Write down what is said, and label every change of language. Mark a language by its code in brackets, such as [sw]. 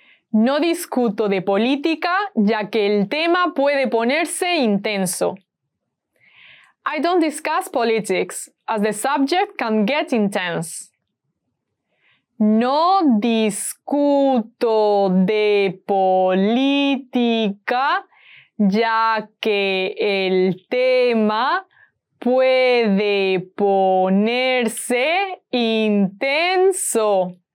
[es] No discuto de política, ya que el tema puede ponerse intenso. [en] I don't discuss politics, as the subject can get intense. [es] No discuto de política, ya que el tema puede ponerse intenso.